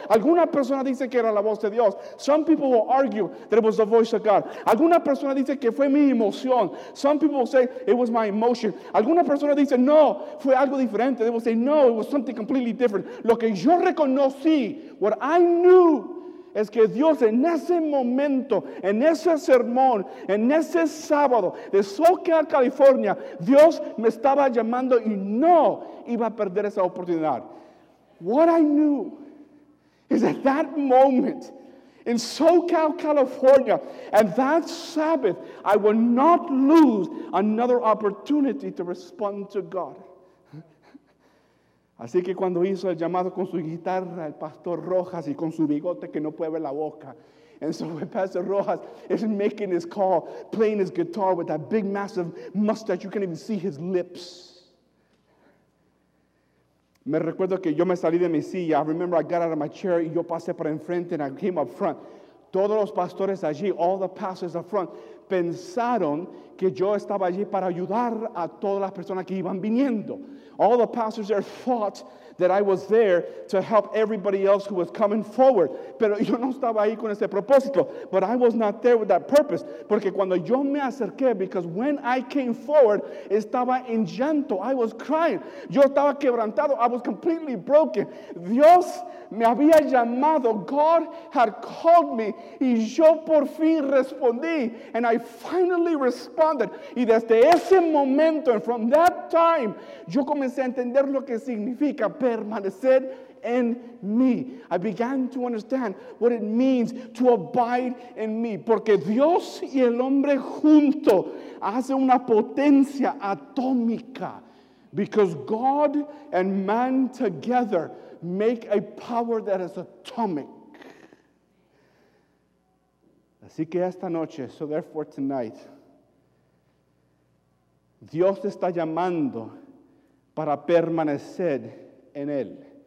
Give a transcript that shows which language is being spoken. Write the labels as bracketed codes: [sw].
[es] Alguna persona dice que era la voz de Dios. [en] Some people will argue that it was the voice of God. [es] Alguna persona dice que fue mi emoción. [en] Some people will say it was my emotion. [es] Alguna persona dice no, fue algo diferente. [en] They will say no, it was something completely different. [es] Lo que yo reconocí, [en] what I knew, [es] es que Dios en ese momento, en ese sermón, en ese sábado de Socal, California, Dios me estaba llamando y no iba a perder esa oportunidad. [en] What I knew is at that moment in Socal, California, and that Sabbath, I would not lose another opportunity to respond to God. [es] Así que cuando hizo el llamado con su guitarra, el Pastor Rojas, y con su bigote que no puede ver la boca. [en] And so Pastor Rojas is making his call, playing his guitar with that big, massive mustache. You can't even see his lips. [es] Me recuerdo que yo me salí de mi silla. [en] I remember I got out of my chair, [es] y yo pasé por enfrente, [en] and I came up front. [es] Todos los pastores allí, [en] all the pastors up front, [es] pensaron que yo estaba allí para ayudar a todas las personas que iban viniendo. [en] All the pastors there thought that I was there to help everybody else who was coming forward. [es] Pero yo no estaba ahí con ese propósito. [en] But I was not there with that purpose. [es] Porque cuando yo me acerqué, [en] because when I came forward, [es] estaba en llanto. [en] I was crying. [es] Yo estaba quebrantado. [en] I was completely broken. [es] Dios me había llamado. [en] God had called me. [es] Y yo por fin respondí. [en] And I finally responded. [es] Y desde ese momento, [en] and from that time, [es] yo comencé a entender lo que significa permanecer en mí. [en] I began to understand what it means to abide in me. [es] Porque Dios y el hombre junto hace una potencia atómica. [en] Because God and man together make a power that is atomic. [es] Así que esta noche, [en] so therefore tonight, [es] Dios está llamando para permanecer en Él.